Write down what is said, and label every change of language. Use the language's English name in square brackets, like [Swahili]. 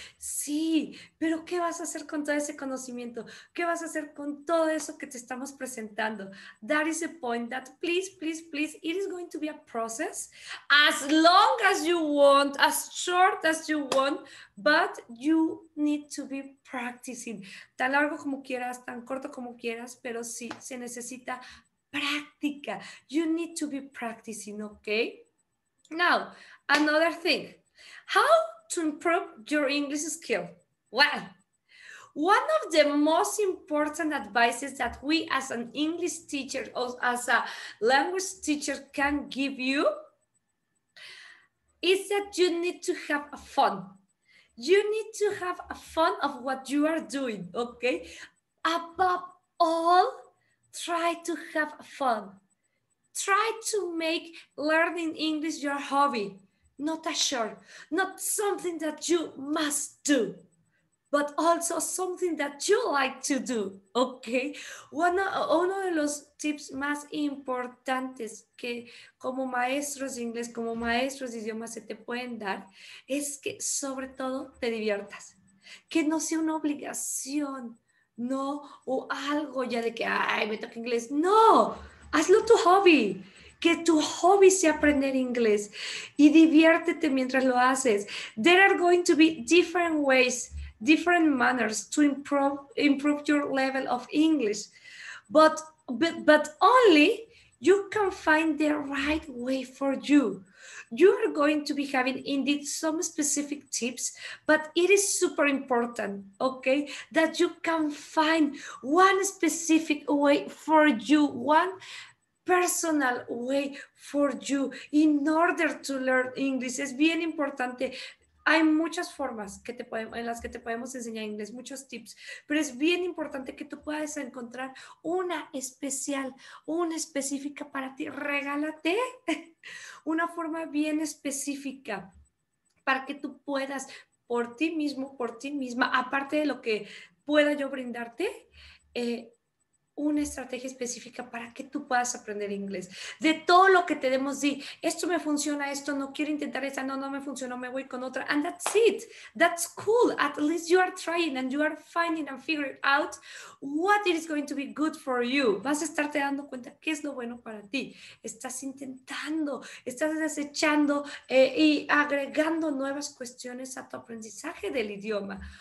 [Spanish] Sí, pero ¿qué vas a hacer con todo ese conocimiento? ¿Qué vas a hacer con todo eso que te estamos presentando? [English] That is the point that please, please, please, it is going to be a process as long as you want, as short as you want, but you need to be practicing. [Spanish] Tan largo como quieras, tan corto como quieras, pero sí, se necesita práctica. [English] You need to be practicing, okay? Now, another thing. How to improve your English skill? Well, one of the most important advices that we as an English teacher or as a language teacher can give you is that you need to have fun. You need to have fun of what you are doing, okay? Above all, try to have fun. Try to make learning English your hobby, not a chore, not something that you must do, but also something that you like to do, okay? [Spanish] Uno de los tips más importantes que como maestros de inglés, como maestros de idiomas se te pueden dar, es que sobre todo te diviertas, que no sea una obligación, no, o algo ya de que, ay, me toca inglés, no, hazlo tu hobby. Que tu hobby sea aprender inglés y diviértete mientras lo haces. [English] There are going to be different ways, different manners to improve your level of English. But only you can find the right way for you. You are going to be having indeed some specific tips, but it is super important, okay, that you can find one specific way for you, one personal way for you in order to learn English. [Spanish] Es bien importante. Hay muchas formas que te podemos, en las que te podemos enseñar inglés, muchos tips, pero es bien importante que tú puedas encontrar una especial, una específica para ti. Regálate una forma bien específica para que tú puedas por ti mismo, por ti misma, aparte de lo que pueda yo brindarte, una estrategia específica para que tú puedas aprender inglés. De todo lo que tenemos, di, esto me funciona, esto no quiero intentar esa, no, no me funcionó, me voy con otra. [English] And that's it. That's cool. At least you are trying and you are finding and figuring out what it is going to be good for you. [Spanish] Vas a estarte dando cuenta qué es lo bueno para ti. Estás intentando, estás desechando y agregando nuevas cuestiones a tu aprendizaje del idioma.